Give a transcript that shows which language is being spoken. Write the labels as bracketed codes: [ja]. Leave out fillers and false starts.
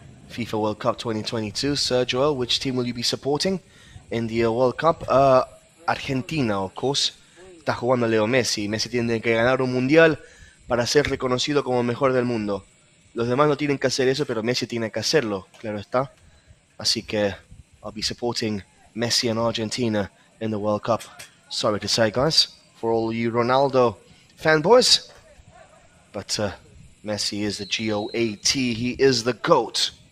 [en] FIFA World Cup 2022, Sir Joel, which team will you be supporting in the World Cup? Argentina, of course. Está jugando Leo Messi. [es] Messi tiene que ganar un mundial para ser reconocido como mejor del mundo. Los demás no tienen que hacer eso, pero Messi tiene que hacerlo, claro está. [en] Así que, I'll be supporting Messi and Argentina in the World Cup. Sorry to say, guys, for all you Ronaldo fanboys. But Messi is the GOAT, he is the GOAT.